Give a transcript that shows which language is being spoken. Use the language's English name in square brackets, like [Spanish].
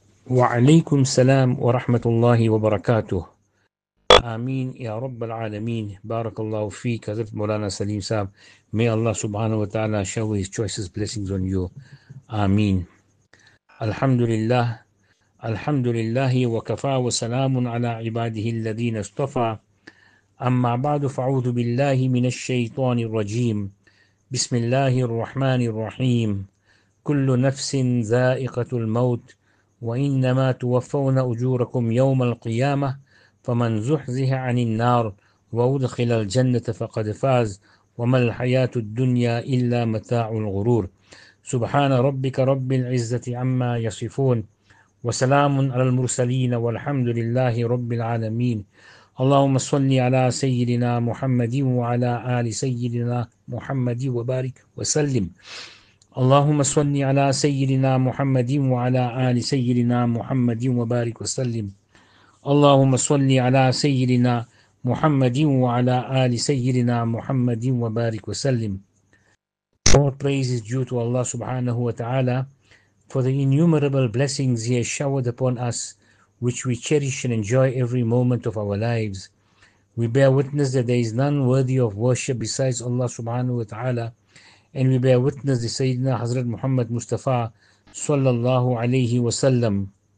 [Arabic] وعليكم السلام ورحمة الله وبركاته. آمين يا رب العالمين. بارك الله فيك حضرت مولانا سليم صاحب. [English] May Allah subhanahu wa ta'ala show his choicest blessings on you. [Arabic] آمين. الحمد لله الحمد لله وكفى وسلام على عباده الذين اصطفى. أما بعد فأعوذ بالله من الشيطان الرجيم. بسم الله الرحمن الرحيم. كل نفس ذائقة الموت وإنما توفون أجوركم يوم القيامة فمن زحزح عن النار وأدخل الجنة فقد فاز وما الحياة الدنيا إلا متاع الغرور. سبحان ربك رب العزة عما يصفون وسلام على المرسلين والحمد لله رب العالمين. اللهم صل على سيدنا محمد وعلى آل سيدنا محمد وبارك وسلم. اللهم صل على سيدنا محمد وعلى آل سيدنا محمد وبارك وسلم. اللهم صل على سيدنا محمد وعلى آل سيدنا محمد وبارك وسلم. [English] All praise is due to Allah subhanahu wa ta'ala for the innumerable blessings He has showered upon us, which we cherish and enjoy every moment of our lives. We bear witness that there is none worthy of worship besides Allah subhanahu wa ta'ala, and we bear witness to Sayyidina Hazrat Muhammad Mustafa sallallahu alayhi wa sallam.